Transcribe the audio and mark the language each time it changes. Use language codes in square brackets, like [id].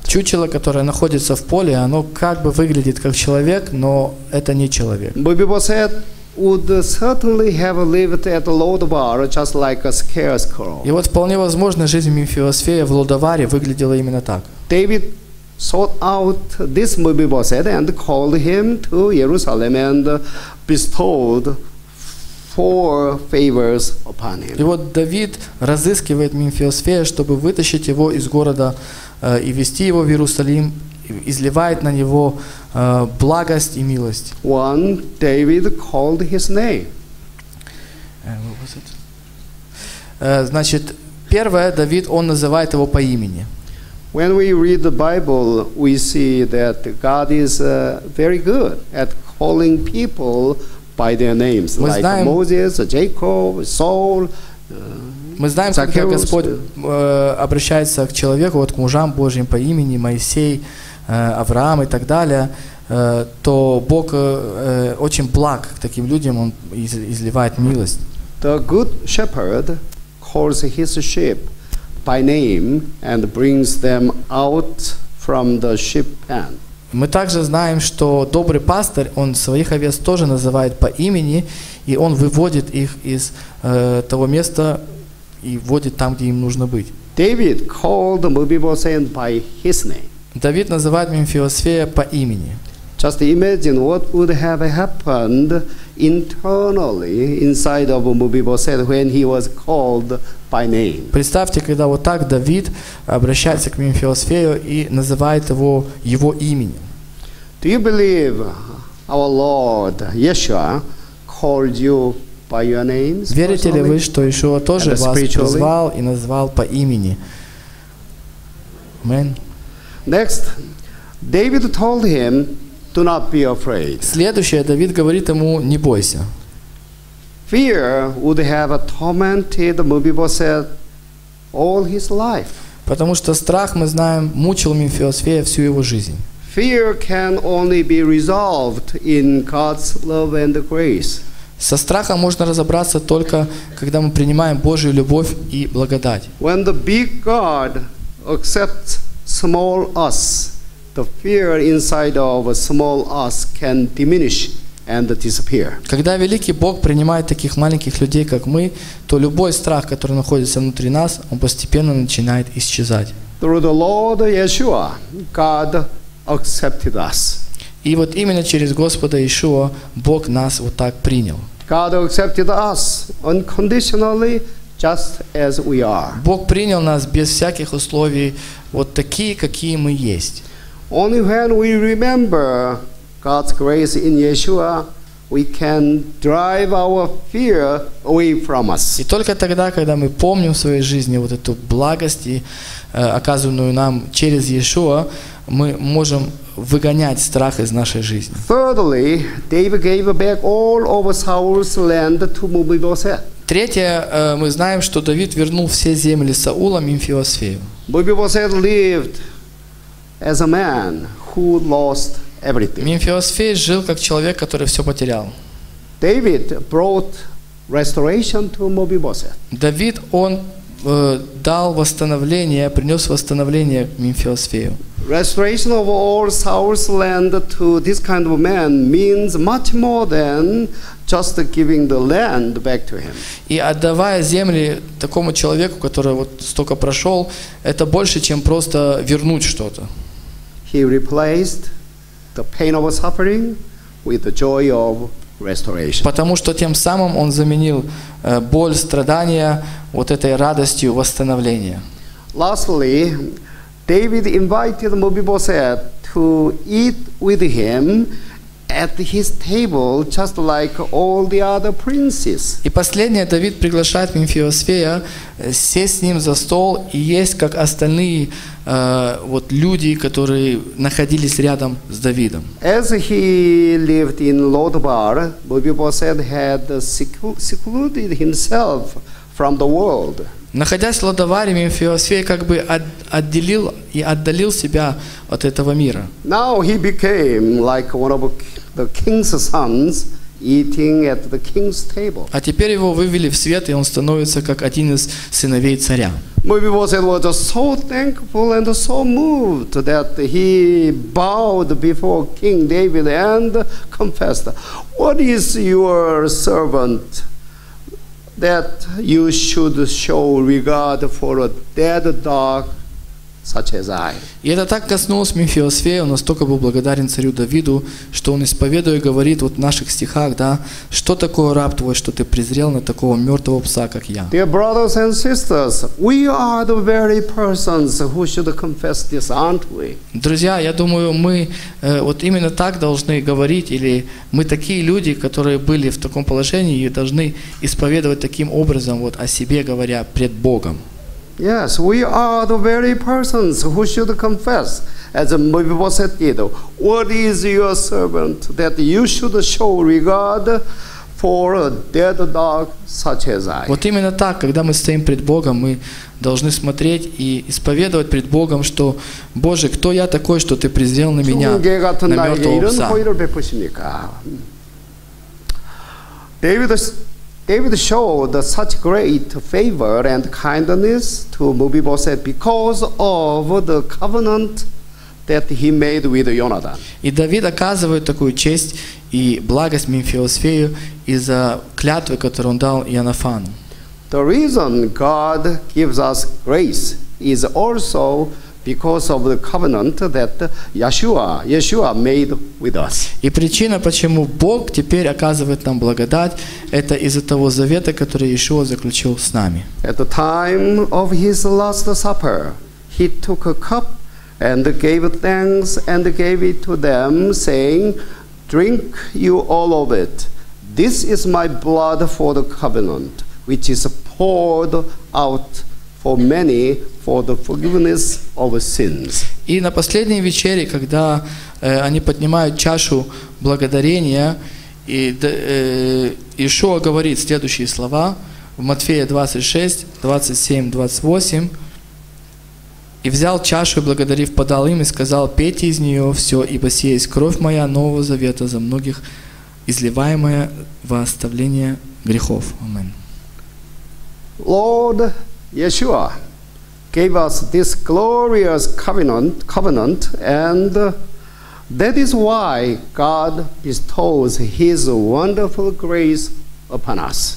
[ru] Чучело, которое находится в поле, оно как бы выглядит как человек, но это не человек. [en] Мефибосет would certainly have lived at Lodabar just like a scarecrow. [ru] И вот вполне возможно, жизнь Мефибосфея в Лодаваре выглядела именно так. [en] David sought out this Мефибосет and called him to Jerusalem and bestowed four favors upon him. [ru] И вот Давид разыскивает Мефибосфея, чтобы вытащить его из города и вести его в Иерусалим, изливает на него благость и милость. [en] One, David called his name. What was it? [ru] Значит, первое, Давид, он называет его по имени. [en] When we read the Bible, we see that God is very good at calling people by their names, [ru] мы [en] like [ru] знаем, [en] Moses, Jacob, Saul, [ru] мы знаем, [en] Zacchaeus. [ru] Как Господь обращается к человеку, вот к мужам Божьим по имени, Моисей, Авраам и так далее, то Бог очень благ к таким людям, Он изливает милость. [en] The good shepherd calls his sheep by name and brings them out from the sheep pen. [ru] Мы также знаем, что добрый пастырь, он своих овец тоже называет по имени, и он выводит их из того места и вводит там, где им нужно быть. [en] David called Mephibosheth by his name. [ru] Давид называет Мефибосфея по имени. [en] Just imagine what would have happened internally inside of Mephibosheth when he was called by name. [ru] Представьте, когда вот так Давид обращается к Мефибосфею и называет его его именем. [en] Do you believe our Lord Yeshua called you by your name? [ru] Верите ли вы, что Иешуа тоже вас призвал и назвал по имени? [en] Amen. Next, David told him, "Do not be afraid." [ru] Следующее, Давид говорит ему: "Не бойся." [en] Fear would have tormented Mephibosheth all his life. [ru] Потому что страх, мы знаем, мучил Мефибосфея всю его жизнь. [en] Fear can only be resolved in God's love and grace. [ru] Со страхом можно разобраться только, когда мы принимаем Божью любовь и благодать. [en] When the big God accepts small us, the fear inside of a small us can diminish and disappear. [ru] Когда великий Бог принимает таких маленьких людей, как мы, то любой страх, который находится внутри нас, он постепенно начинает исчезать. [en] Through the Lord Yeshua, God accepted us. [ru] И вот именно через Господа Иешуа Бог нас вот так принял. [en] God accepted us unconditionally. Just as we are. [ru] Бог принял нас без всяких условий, вот такие, какие мы есть. [en] Only when we remember God's grace in Yeshua, we can drive our fear away from us. [ru] И только тогда, когда мы помним в своей жизни вот эту благость, оказанную нам через Иешуа, мы можем выгонять страх из нашей жизни. [en] Thirdly, David gave back all of Saul's land to Mephibosheth. [ru] Третье, мы знаем, что Давид вернул все земли Саула Мефибосфею. [en] Mephibosheth lived as a man who lost everything. [ru] Мефибосфей жил как человек, который все потерял. [en] David brought restoration to Mephibosheth. [ru] Давид, он дал восстановление, принес восстановление Мефибосфею. [en] Restoration of all Saul's land to this kind of man means much more than just giving the land back to him. [ru] И отдавая земли такому человеку, который вот столько прошел, это больше, чем просто вернуть что-то. [en] He replaced the pain of suffering with the joy of restoration. [ru] Потому что тем самым он заменил боль, страдания вот этой радостью восстановления. [en] Lastly, David invited Mephibosheth to eat with him at his table, just like all the other princes. [ru] И последнее, Давид приглашает Мефибосфея сесть с ним за стол и есть, как остальные вот люди, которые находились рядом с Давидом. [en] As he lived in Lodabar, Mephibosheth had secluded himself from the world. [ru] Находясь в Лодоваре, Мефибосфей как бы отделил и отдалил себя от этого мира. [en] Now he became like one of the king's sons eating at the king's table. [ru] А теперь его вывели в свет, и он становится как один из сыновей царя. [en] Mephibosheth was so thankful and so moved that he bowed before King David and confessed, "What is your servant that you should show regard for a dead dog such as I. [ru] И это так коснулось Мефиосфея, он настолько был благодарен царю Давиду, что он исповедует и говорит вот в наших стихах, да, что такое раб твой, что ты презрел на такого мертвого пса, как я. [en] Dear brothers and sisters, we are the very persons who should confess this, aren't we? [ru] Друзья, я думаю, мы вот именно так должны говорить, или мы такие люди, которые были в таком положении и должны исповедовать таким образом вот о себе говоря пред Богом. [en] Yes, we are the very persons who should confess, as Mephibosheth did. What is your servant that you should show regard for a dead dog such as I? [ru] Вот именно так, когда мы стоим пред Богом, мы должны смотреть и исповедовать пред Богом, что Боже, кто я такой, что ты презрел на меня, на мертвого пса? [en] David showed such great favor and kindness to Mephibosheth because of the covenant that he made with Jonathan. [ru] И Давид оказывает такую честь и благость Мефиосфею из-за клятвы, которую он дал Ионафану. [en] The reason God gives us grace is also because of the covenant that Yeshua made with us. [ru] И причина, почему Бог теперь оказывает нам благодать, это из-за того завета, который Иешуа заключил с нами. [en] At the time of his last supper, he took a cup and gave thanks and gave it to them, saying, "Drink you all of it. This is my blood for the covenant, which is poured out for many for the forgiveness of sins." [ru] И на последней вечере, когда они поднимают чашу благодарения, и Иешуа говорит следующие слова в Матфея 26:27-28, и взял чашу, благодарив, подал им и сказал: "Пейте из нее все, ибо сие есть кровь моя нового завета за многих, изливаемая во оставление грехов." [en] Amen. Lord Yeshua gave us this glorious covenant, and that is why God bestows His wonderful grace upon us.